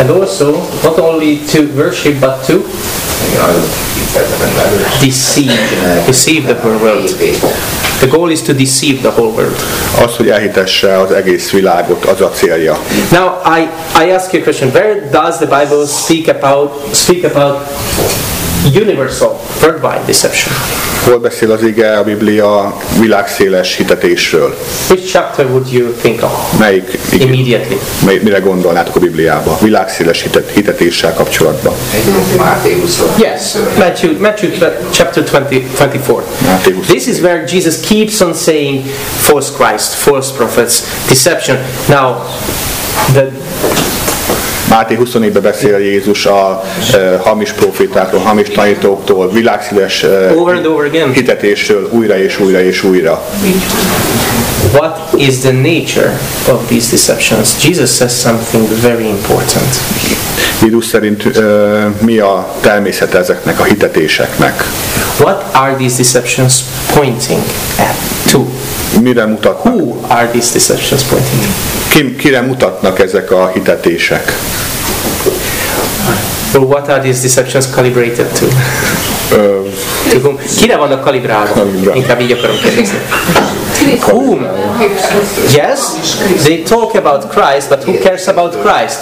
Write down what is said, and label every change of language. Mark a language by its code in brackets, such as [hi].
[en] And also, not only to worship, but to deceive the whole world. The goal is to deceive the whole world. [hu] Az, hogy elhitesse az egész világot, az a célja. [en] Now I ask you a question. Where does the Bible speak about universal, worldwide deception? [hu] Hol beszél az ige a Biblia világszéles hitetésről? [en] Which chapter would you think of? [hu] Melyik? [en] Immediately. [hu] Mire gondolnátok a Bibliába? Világszéles hitetéssel kapcsolatban. [en] Matthew chapter 24. This is where Jesus keeps on saying false Christ, false prophets, deception. Now, the [hu] Máté 24-ben beszél Jézus a hamis profétákról, hamis tanítóktól, világszíves hitetésről újra és újra és újra. [en] What is the nature of these deceptions? Jesus says something very important. [hu] Jézus szerint mi a természete ezeknek a hitetéseknek? [en] What are these deceptions pointing at? To? [hu] Mire mutatnak? [en] Who are these deceptions pointing at? [hu] Kire mutatnak ezek a hitetések? [en] So what are these deceptions calibrated to? [hu] Kire vannak kalibrálva? Inkább így akarom kérdezni. [en] Whom? Yes, they talk about Christ, but who cares about Christ?